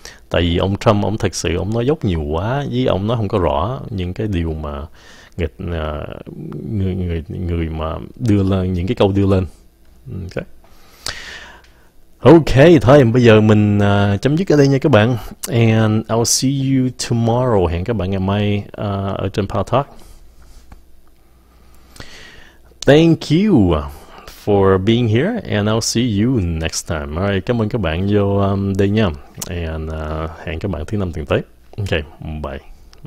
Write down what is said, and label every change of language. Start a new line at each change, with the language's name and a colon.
Vietnamese: Tại vì ông Trump ông thật sự ông nói dốc nhiều quá, với ông nói không có rõ những cái điều mà người người người mà đưa lên những cái câu đưa lên. Ok, thôi bây giờ mình chấm dứt ở đây nha các bạn.
English: And I'll see you tomorrow.
Vietnamese: Hẹn các bạn ngày mai ở trên Power Talk.
English: Thank you for being here and I'll see you next time.
Vietnamese: Alright, cảm ơn các bạn vô đây nha. And hẹn các bạn thứ năm tuần tới. Ok, bye.